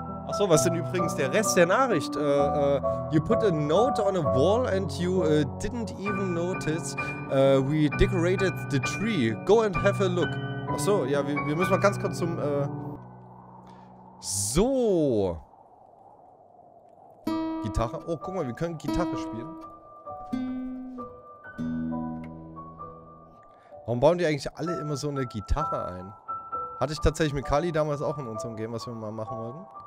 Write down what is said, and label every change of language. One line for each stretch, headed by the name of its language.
German: So, was denn übrigens der Rest der Nachricht?
English: You put a note on a wall and you didn't even notice we decorated the tree. Go and have a look.
German: Achso, ja, wir müssen mal ganz kurz zum... So. Gitarre. Oh, guck mal, wir können Gitarre spielen. Warum bauen die eigentlich alle immer so eine Gitarre ein? Hatte ich tatsächlich mit Kali damals auch in unserem Game, was wir mal machen wollten.